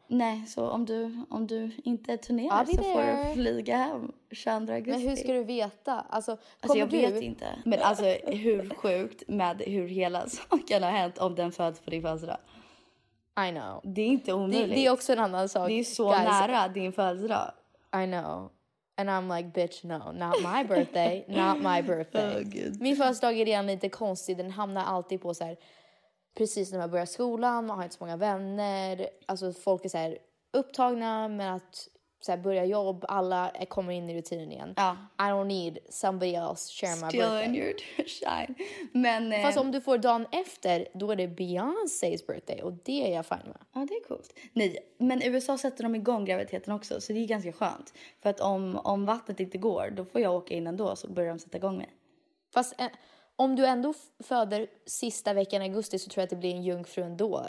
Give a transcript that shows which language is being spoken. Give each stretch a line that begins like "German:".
Swedish: Nej, så om du inte turnerar så får du flyga hem 22 augusti. Men hur ska du veta? Alltså jag vet inte. Men alltså hur sjukt med hur hela saken har hänt om den föds på din födelsedag.
English: I know.
Swedish: Det är inte omöjligt. Det är också en annan sak. Det är så guys. Nära din födelsedag.
English: I know. And I'm like, bitch, no, not my birthday. Oh,
Swedish: min första dag är redan lite konstig, den hamnar alltid på så här, precis när man börjar skolan, man har inte så många vänner, alltså folk är så här upptagna med att så här, börja jobb, alla kommer in i rutinen igen. Ja.
English: I don't need somebody else share my birthday. Still in your shine. Men,
Swedish: fast om du får dagen efter, då är det Beyoncé's birthday, och det är jag fine med. Ja, det är coolt. Nej, men USA sätter de igång graviditeten också, så det är ganska skönt. För att om vattnet inte går, då får jag åka in ändå, så börjar de sätta igång mig. Fast om du ändå föder sista veckan i augusti, så tror jag att det blir en jungfru ändå.